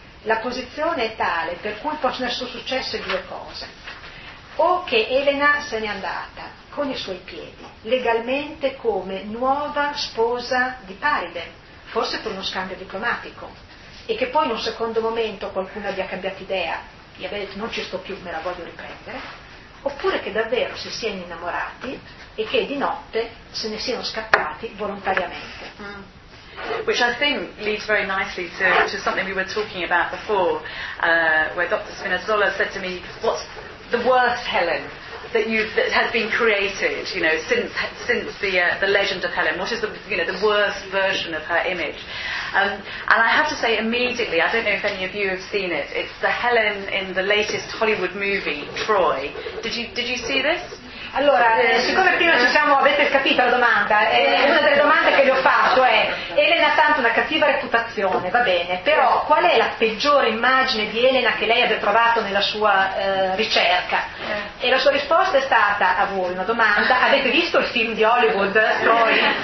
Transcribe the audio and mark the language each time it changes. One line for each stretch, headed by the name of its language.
Italian: La posizione è tale per cui possono essere successe due cose: o che Elena se n'è andata con i suoi piedi, legalmente come nuova sposa di Paride, forse per uno scambio diplomatico, e che poi in un secondo momento qualcuno abbia cambiato idea, gli abbia detto non ci sto più, me la voglio riprendere, oppure che davvero si siano innamorati e che di notte se ne siano scappati volontariamente.
English: Which I think leads very nicely to something we were talking about before, where Dr. Spinazzola said to me, what's the worst Helen that has been created, you know, since the legend of Helen? What is the, you know, the worst version of her image? And I have to say immediately, I don't know if any of you have seen it, it's the Helen in the latest Hollywood movie, Troy. Did you see this?
Italian: Allora, siccome prima ci siamo, avete capito la domanda, una delle domande che le ho fatto è, Elena ha tanto una cattiva reputazione, va bene, però qual è la peggiore immagine di Elena che lei abbia trovato nella sua ricerca? E la sua risposta è stata, a voi una domanda, avete visto il film di Hollywood, Troy?